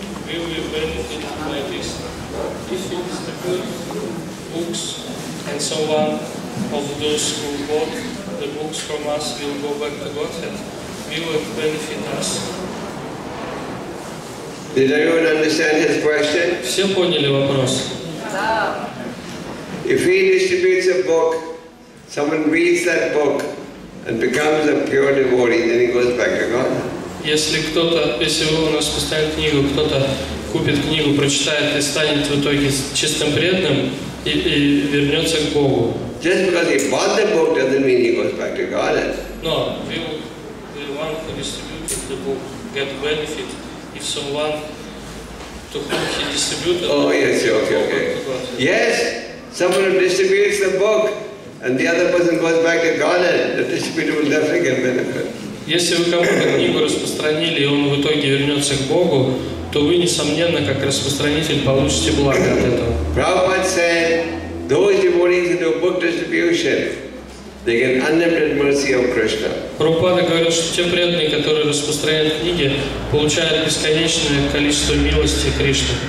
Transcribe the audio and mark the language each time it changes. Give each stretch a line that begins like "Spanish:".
English: Will we benefit by this? If we distribute books and someone of those who bought the books from us will go back to Godhead, will it benefit us? Did anyone understand his question?
Russian: Все поняли вопрос.
English: If he distributes a book, someone reads that book and becomes a pure devotee, then he goes back to God.
Russian: Если он распространяет книгу, кто-то купит книгу, прочитает и станет в итоге чистым преданным и вернется к Богу.
English: Just because he bought the book doesn't mean he goes back to God. No, will the one who distributed the book get benefit if someone to whom he distributed? Oh yes, okay. Yes, someone who distributes the book and the other person goes back to God, the distributor will definitely get benefit.
Russian: Если вы кому-то книгу распространили, и он в итоге вернется к Богу, то вы, несомненно, как распространитель, получите благо от этого.
English: Prabhupada said, those devotees who do book distribution, they get unlimited mercy of Krishna.
Russian: Prabhupada говорил, что те преданные, которые распространяют книги, получают бесконечное количество милости Кришны.